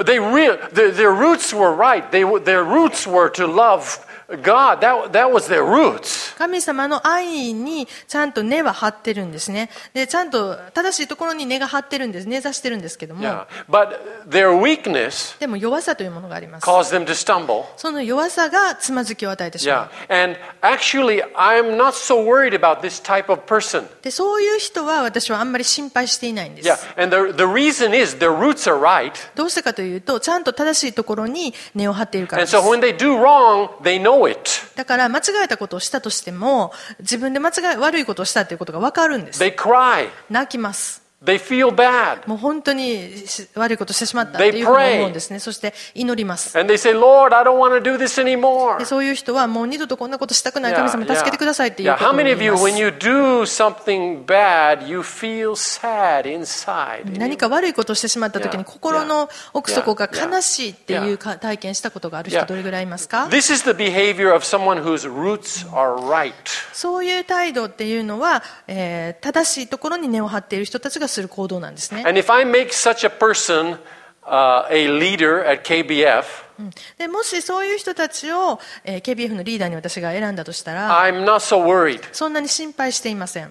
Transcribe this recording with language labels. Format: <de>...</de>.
<en>Their roots were right. Their roots were to love God, that was their roots.</en> <ja>神様の愛にちゃんと根は張ってるんですね。で、ちゃんと正しいところに根が張ってるんです。根差してるんですけども。</ja> <en>Yeah. But their weakness</en> <ja>でも弱さというものがあります。</ja> <en>caused them to stumble.</en> <ja>その弱さがつまずきを与えてしまう。 Yeah.</ja> <en>And actually, I'm not so worried about this type of person.</en> <ja>で、そういう人は私はあんまり心配していないんです。 Yeah.</ja> <en>And the reason is their roots are right.</en> <ja>どうしてかというと、ちゃんと正しいところに根を張っているからです。</ja> <en>And so when they do wrong, they know it.</en> <ja>だから間違えたことをしたとしても、自分で間違え悪いことをしたということが分かるんです。</ja> <en>They cry.</en> <ja>泣きます。</ja> <en>They feel bad.</en> <ja>もう本当に悪いことをしてしまったっていうふうに思うんですね。そして祈ります。</ja> <en>And they say, Lord, I don't want to do this anymore.</en> <ja>で、そういう人はもう二度とこんなことしたくない。神様、助けてくださいっていうことを言います。</ja> <en>Yeah. How many of you, when you do something bad, you feel sad inside?</en> <ja>何か悪いことをしてしまった時に心の奥底が悲しいっていう体験したことがある人どれぐらいいますか？</ja> <en>This is the behavior of someone whose roots are right.</en> <ja>そういう態度っていうのは、正しいところに根を張っている人たちがする行動なんですね。</ja> <en>And if I make such a person, a leader at KBF,</en> <ja>でもしそういう人たちを、KBF のリーダーに私が選んだとしたら、</ja> <en>I'm not so worried.</en> <ja>そんなに心配していません。</ja>